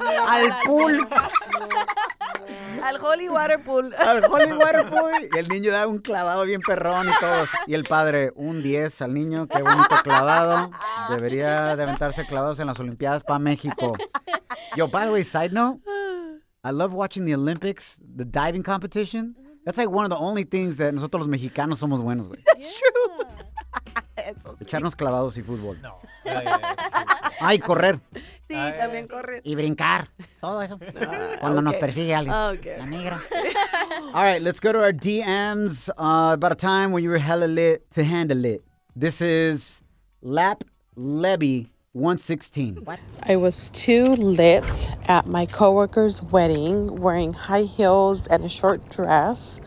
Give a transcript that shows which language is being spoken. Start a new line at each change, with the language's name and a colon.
Spanish: Al pool. Al pool.
English: Al holy water pool. Al holy water pool.
Spanish: Y el niño da un clavado bien perrón y todos. Y el padre, un 10 al niño. Qué bonito clavado. Debería de aventarse clavados en las Olimpiadas para México.
English: Yo, by the way, side note. I love watching the Olympics, the diving competition. That's like one of the only things that
Spanish: nosotros los mexicanos somos buenos, güey.
English: That's true.
Spanish: Echarnos clavados y fútbol. No. Ay, correr. Sí, también correr. Y brincar. Todo eso. Cuando nos persigue alguien.
English: Okay.
Spanish: La negra.
English: All right, let's go to our DMs. About a time when you were hella lit to handle it. This is Lap Levy. 116. What? I was too lit at my coworker's wedding, wearing high heels and a short dress.